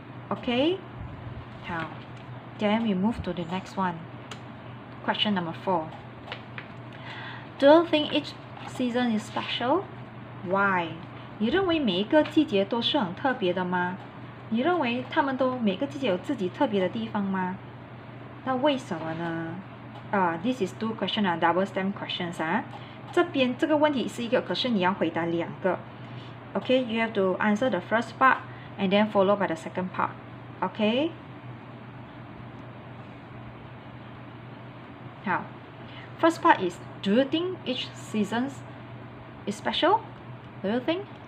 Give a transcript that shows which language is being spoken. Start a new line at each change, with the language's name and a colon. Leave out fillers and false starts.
English: Okay, now then we move to the next one. Question number four. Do you think each season is special? Why?
Chinese: 你认为每一个季节都是很特别的吗?你认为他们都每个季节有自己特别的地方吗? 那为什么呢?
English: This is two questions, double stem questions.
Chinese: 这边这个问题是一个,可是你要回答两个.
English: Okay, you have to answer the first part and then follow by the second part. Okay? 好, first part is, do you think each season is special? Do you think?